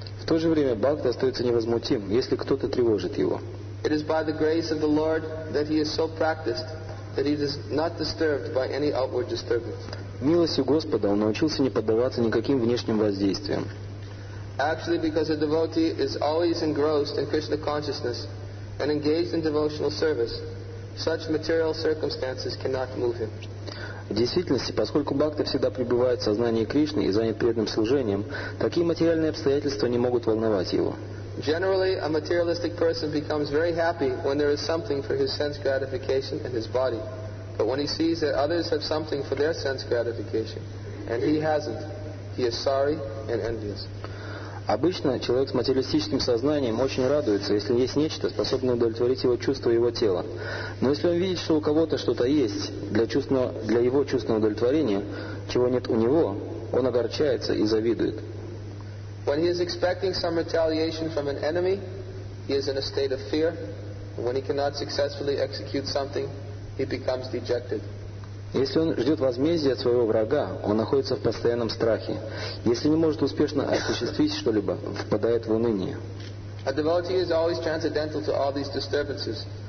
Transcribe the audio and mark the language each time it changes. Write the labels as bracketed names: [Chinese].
[Russian] В то же время бхакта остается невозмутим, если кто-то тревожит его. [English] It is by the grace of the Lord that he is so practiced that he is not disturbed by any outward disturbance. [Russian] Милостью Господа он научился не поддаваться никаким внешним воздействиям. [English] Actually, because a devotee is always engrossed in Krishna consciousness and engaged in devotional service, such material circumstances cannot move him. [Russian] В действительности, поскольку бхакта всегда пребывает в сознании Кришны и занят преданным служением, такие материальные обстоятельства не могут волновать его. [English] Generally, a materialistic person becomes very happy when there is something for his sense gratification in his body. But when he sees that others have something for their sense gratification, and he hasn't, he is sorry and envious. [Russian] Обычно человек с материалистическим сознанием очень радуется, если есть нечто, способное удовлетворить его чувства и его тело. Но если он видит, что у кого-то что-то есть для его чувственного удовлетворения, чего нет у него, он огорчается и завидует. [English] When he is expecting some retaliation from an enemy, he is in a state of fear. When he cannot successfully execute something, he becomes dejected. [Russian] Если он ждет возмездия от своего врага, он находится в постоянном страхе. Если не может успешно осуществить что-либо, впадает в уныние. [English] A devotee is always transcendental to all these disturbances.